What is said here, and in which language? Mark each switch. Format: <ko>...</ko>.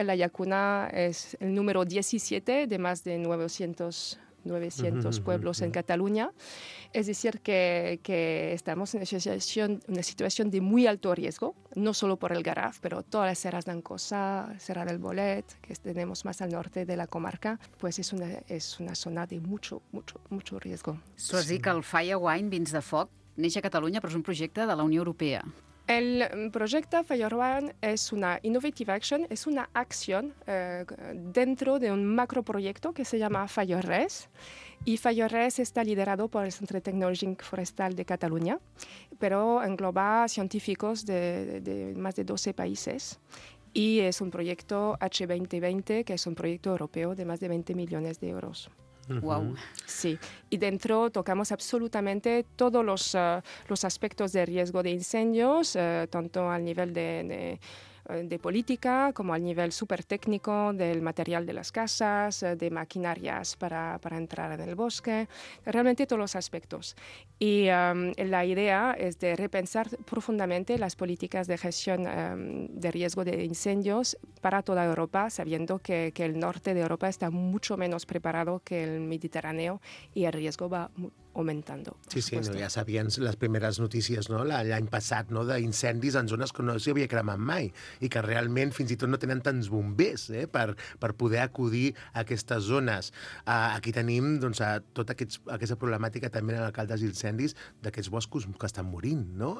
<es>En La Llacuna es el número 17 de más de 900 pueblos en Cataluña. Es decir, que estamos en una situación de muy alto riesgo, no solo por el Garraf, pero todas las Serras d'Ancosa, Serra del Bolet, que tenemos más al norte de la comarca, pues es una zona de mucho, mucho, mucho riesgo.</es> <ca>Tu has dit que el Fire Wine, Vins de Foc, neix a Catalunya, però és un projecte de la Unió Europea.</ca> <es>El proyecto FireWine es una</es> <en>innovative action,</en> <es>es una acción dentro de un macroproyecto que se llama FireRes. Y FireRes está liderado por el Centre Tecnològic Forestal de Cataluña, pero engloba científicos de más de 12 países. Y es un proyecto H2020, que es un proyecto europeo de más de 20 millones de euros. Wow. Sí, y dentro tocamos absolutamente todos los aspectos de riesgo de incendios, tanto al nivel de política como al nivel súper técnico del material de las casas, de maquinarias para entrar en el bosque, realmente todos los aspectos. Y la idea es de repensar profundamente las políticas de gestión de riesgo de incendios para toda Europa, sabiendo que el norte de Europa está mucho menos preparado que el Mediterráneo y el riesgo va aumentando.</es> <ca>Sí, sí, no, ja sabien les primeres notícies, no? L'any passat, no? D'incendis en zones que no s'hi havia cremat mai i que realment fins i tot no tenen tants bombers per poder acudir a aquestes zones. Aquí tenim doncs, aquesta problemàtica també en alcaldes i incendis d'aquests boscos que estan morint, no?</ca>